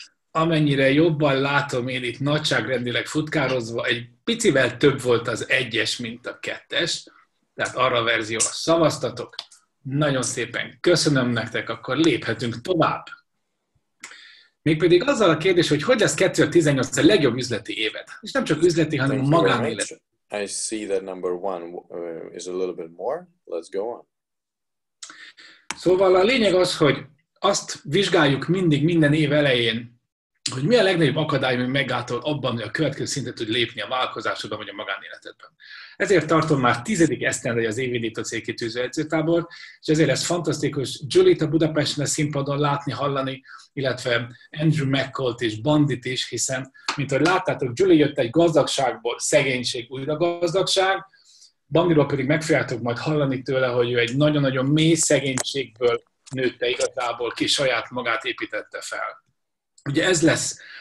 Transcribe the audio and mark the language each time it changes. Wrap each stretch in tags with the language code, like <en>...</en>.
<hu>Amennyire jobban látom én itt nagyságrendileg futkározva, egy picivel több volt az egyes, mint a kettes. Tehát arra a verzióra szavaztatok. Nagyon szépen köszönöm nektek, akkor léphetünk tovább. Mégpedig azzal a kérdés, hogy hogy lesz 2018 a legjobb üzleti éved? És nem csak üzleti, hanem magánélet.</hu> <en>I see that number one is a little bit more. Let's go on.</en> <hu>Szóval a lényeg az, hogy azt vizsgáljuk mindig minden év elején, hogy mi a legnagyobb akadály, ami megálltol abban, hogy a következő szintet tud lépni a vállalkozásodban vagy a magánéletedben. Ezért tartom már 10. esztendeje az évindító célkitűző edzőtábort, és ezért lesz fantasztikus Julie-t a Budapesten a színpadon látni, hallani, illetve Andrew McColt és Bandit is, hiszen, mint ahogy láttátok, Julie jött egy gazdagságból, szegénység, újra gazdagság, Bandiról pedig meg fogjátok majd hallani tőle, hogy ő egy nagyon-nagyon mély szegénységből nőtte igazából, ki saját magát építette fel. Ugye ez lesz</hu>